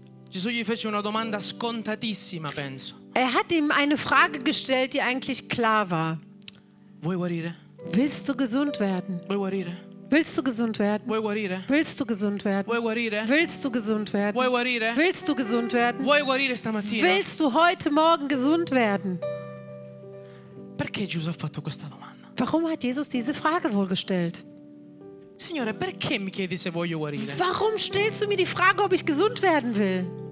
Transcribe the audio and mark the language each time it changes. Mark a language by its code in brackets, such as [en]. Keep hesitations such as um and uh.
[it] Gesù gli fece una domanda scontatissima, penso. [de] Er hat ihm eine Frage gestellt, die eigentlich klar war. Willst du gesund werden? Willst du gesund werden? Willst du gesund werden? [it] Vuoi guarire? [de] Willst du gesund werden? [it] Vuoi guarire? [de] Willst du gesund werden? [it] Vuoi guarire stamattina? stamattina? [de] Willst du heute morgen gesund werden? [it] Perché Gesù ha fatto questa domanda? [de] Warum hat Jesus diese Frage wohl gestellt? [it] Signore, perché mi chiedi se voglio guarire? [de] Warum stellst du mir die Frage, ob ich gesund werden will?